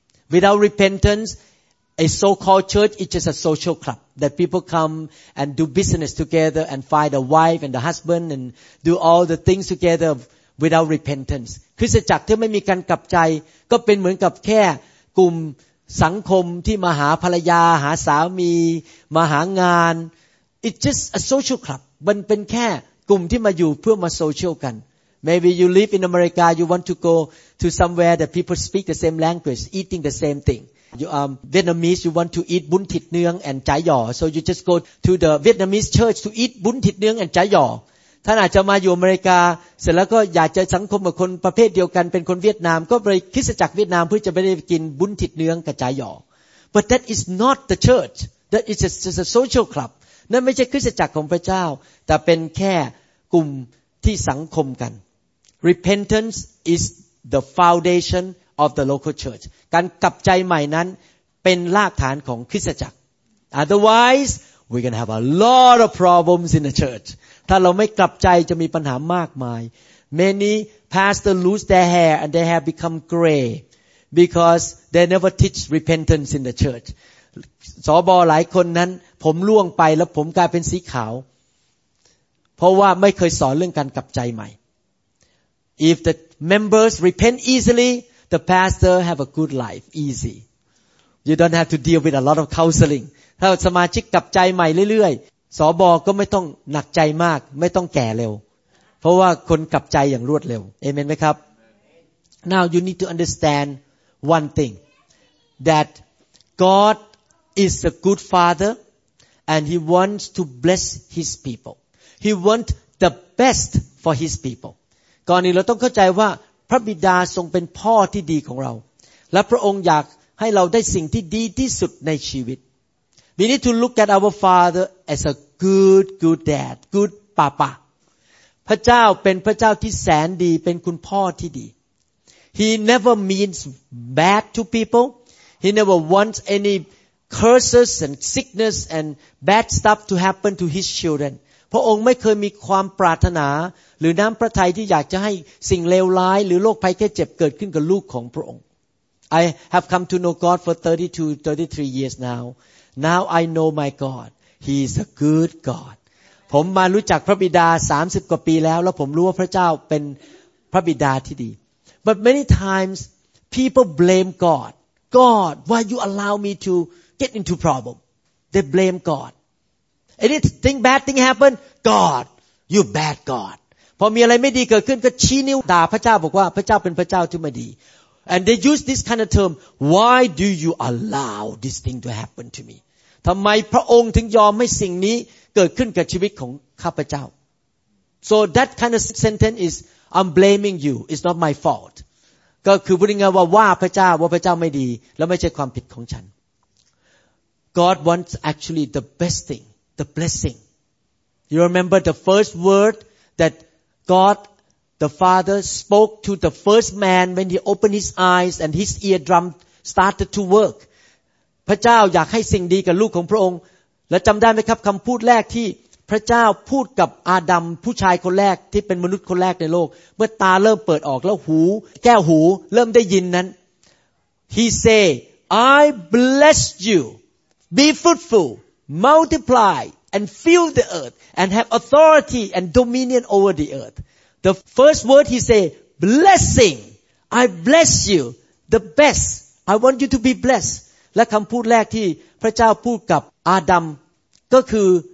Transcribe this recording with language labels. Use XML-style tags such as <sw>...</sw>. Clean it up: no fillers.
<en>ๆ Without repentance, a so-called church is just a social club. That people come and do business together and find a wife and a husband and do all the things together without repentance.</en> <th>Christ จักรที่ไม่มีการกลับใจก็เป็นเหมือนกับแค่กลุ่มสังคมที่มาหาภรรยาหาสามีมาหางาน</th> <en>It's just a social club.</en> <th>มันเป็นแค่กลุ่มที่มาอยู่เพื่อมาโซเชียลกัน</th> <en>Maybe you live in America, you want to go to somewhere that people speak the same language, eating the same thing. You are Vietnamese. You want to eat bun thit nuong and chai yo. So you just go to the Vietnamese church to eat bun thit nuong and chai yo.</en> <th>ท่านอาจจะมาอยู่อเมริกาเสร็จแล้วก็อยากจะสังคมกับคนประเภทเดียวกันเป็นคนเวียดนามก็ไปคริสตจักรเวียดนามเพื่อจะไปได้กินบุนทิตเนื้อกับจายย</th> <en>อ But that is not the church. That is just a social club.</en> <th>นั่นไม่ใช่คริสตจักรของพระเจ้าแต่เป็นแค่กลุ่มที่สังคมกัน</th> <en>Repentance is the foundation of the local church</en> <th>การกลับใจใหม่นั้นเป็นรากฐานของคริสตจักร</th> <en>otherwise we're going to have a lot of problems in the church</en> <th>ถ้าเราไม่กลับใจจะมีปัญหามากมาย</th> <en>many pastors lose their hair and they have become grayBecause they never teach repentance in the church.</en> <th>สบหลายคนนั้นผมร่วงไปแล้วผมกลายเป็นสีขาวเพราะว่าไม่เคยสอนเรื่องการกลับใจใหม่</th> <en>If the members repent easily, the pastor have a good life, easy. You don't have to deal with a lot of counseling.</en> <th>ถ้าสมาชิกกลับใจใหม่เรื่อยๆสบก็ไม่ต้องหนักใจมากไม่ต้องแก่เร็วเพราะว่าคนกลับใจอย่างรวดเร็วเอเมนไหมครับ</th> <en>Now you need to understandOne thing, that God is a good father and he wants to bless his people. He wants the best for his people.</en> <th>ก่อนนี้เราต้องเข้าใจว่าพระบิดาทรงเป็นพ่อที่ดีของเราและพระองค์อยากให้เราได้สิ่งที่ดีที่สุดในชีวิต</th> <en>We need to look at our father as a good, good dad, good papa.</en> <th>พระเจ้าเป็นพระเจ้าที่แสนดีเป็นคุณพ่อที่ดี</th> <en>He never means bad to people. He never wants any curses and sickness and bad stuff to happen to his children.</en> <th>พระองค์ไม่เคยมีความปรารถนาหรือน้ำพระทัยที่อยากจะให้สิ่งเลวร้ายหรือโรคภัยแค่เจ็บเกิดขึ้นกับลูกของพระองค์</th> <en>I have come to know God for 32-33 years now. Now I know my God. He is a good God.</en> <th>ผมมารู้จักพระบิดา30กว่าปีแล้วแล้วผมรู้ว่าพระเจ้าเป็นพระบิดาที่ดี</th> <en>But many times people blame God. God, why you allow me to get into problem? They blame God. Anything bad thing happen, God, you bad God.</en> <th>พอมีอะไรไม่ดีเกิดขึ้นก็ชี้นิ้วด่าพระเจ้าบอกว่าพระเจ้าเป็นพระเจ้าที่ไม่ดี</th> <en>And they use this kind of term. Why do you allow this thing to happen to me?</en> <th>ทำไมพระองค์ถึงยอมให้สิ่งนี้เกิดขึ้นกับชีวิตของข้าพเจ้า</th> <en>So that kind of sentence is. I'm blaming you. It's not my fault.</en> <th>ก็คือพูดง่ายๆว่าว่าพระเจ้าว่าพระเจ้าไม่ดีแล้วไม่ใช่ความผิดของฉัน</th> <en>God wants actually the best thing, the blessing. You remember the first word that God, the Father, spoke to the first man when he opened his eyes and his eardrum started to work.</en> <th>พระเจ้าอยากให้สิ่งดีกับลูกของพระองค์และจำได้ไหมครับคำพูดแรกที่พระเจ้าพูดกับอาดัมผู้ชายคนแรกที่เป็นมนุษย์คนแรกในโลกเมื่อตาเริ่มเปิดออกแล้วหูแก้วหูเริ่มได้ยินนั้น</th> <en>He say I bless you be fruitful multiply and fill the earth and have authority and dominion over the earth The first word he say blessing I bless you the best I want you to be blessed</en> <th>และคำพูดแรกที่พระเจ้าพูดกับอาดัมก็คือ</th>